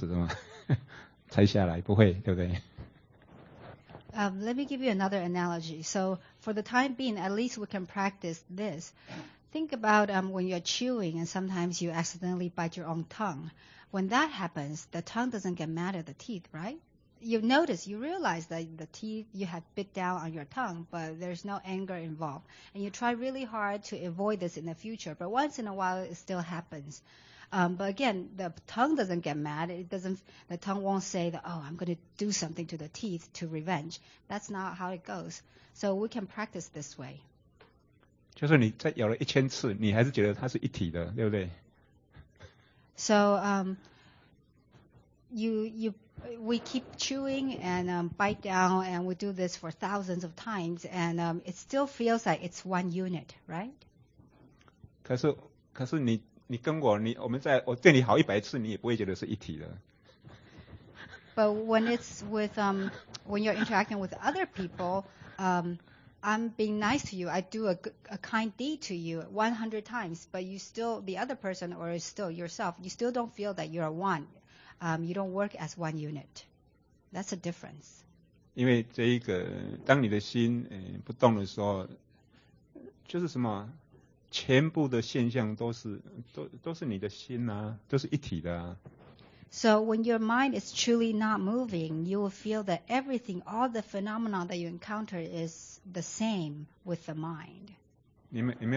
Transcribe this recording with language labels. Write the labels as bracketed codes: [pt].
[zh] 可是牙齿咬到舌头，对不对？也想办法就是尽量避免两个人又有什么 又咬到啊。可是你很努力的避免，有时候还是被咬到，但是也不会生气啊。舌头也不会发现说，我找个机会把舌头把牙齿什么 拆下来，不会，对不对？ [en] Let me give you another analogy. So for the time being, at least we can practice this. Think about when you're chewing and sometimes you accidentally bite your own tongue. When that happens, the tongue doesn't get mad at the teeth, right? You notice, you realize that the teeth you have bit down on your tongue, but there's no anger involved. And you try really hard to avoid this in the future, but once in a while it still happens. But again, the tongue doesn't get mad. It doesn't. The tongue won't say that, oh, I'm going to do something to the teeth to revenge. That's not how it goes. So we can practice this way. [zh] 就是你再咬了1000次, 你还是觉得它是一体的，对不对？ [en] So we keep chewing and bite down, and we do this for thousands of times, and it still feels like it's one unit, right? [zh] 可是你 你跟我，你我们在我对你好100次，你也不会觉得是一体的。 [en] But when it's with when you're interacting with other people, I'm being nice to you. I do a kind deed to you 100 times, but you still the other person or still yourself, you still don't feel that you're one. You don't work as one unit. That's a difference. [zh] 因为这一个，当你的心不动的时候，就是什么？全部的现象都是你的心啊，都是一体的。 [en] So when your mind is truly not moving, you will feel that everything, all the phenomena that you encounter is the same with the mind.